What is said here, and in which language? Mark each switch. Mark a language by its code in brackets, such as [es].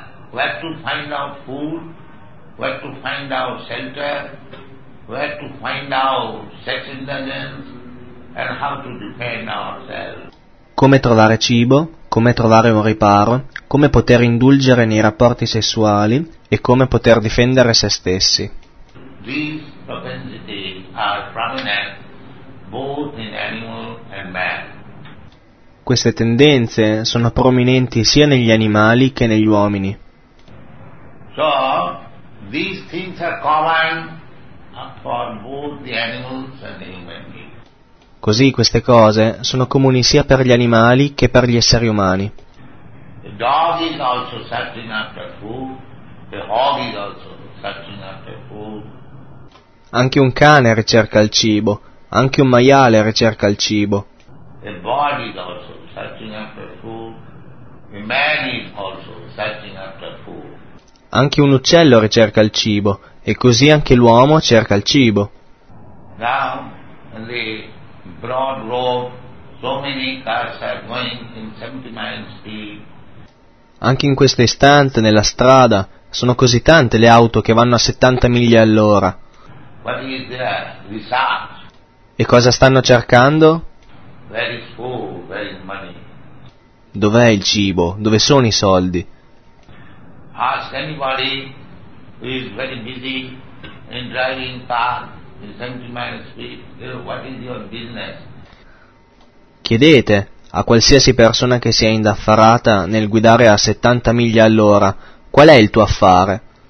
[en] Where to find out food, where to find out shelter, where to find out sex indulgence, and how to defend ourselves. [it] Come trovare cibo, come trovare un riparo, come poter indulgere nei rapporti sessuali e come poter difendere se stessi. [en] These propensities are prominent both in animal and man. [it] Queste tendenze sono prominenti sia negli animali che negli uomini. [en] So, these things are common for both the animals and the human beings. [it] Così queste cose sono comuni sia per gli animali che per gli esseri umani. [en] The dog is also searching after food, the hog is also searching after food. [it] Anche un cane ricerca il cibo, anche un maiale ricerca il cibo. [en] The bird is also searching after food, the man is also searching after food. [it] Anche un uccello ricerca il cibo, e così anche l'uomo cerca il cibo. [en] Now, the broad road, so many cars are going in 70 miles speed. [it] Anche in questa istante, nella strada, sono così tante le auto che vanno a 70 miglia all'ora. [en] What is there? Research. [it] E cosa stanno cercando? [en] Where is food? Where is money? [it] Dov'è il cibo? Dove sono i soldi? [en] Ask anybody who is very busy in driving car. What is your business? [it] Chiedete a qualsiasi persona che sia indaffarata nel guidare a 70 miglia all'ora, qual è il tuo affare?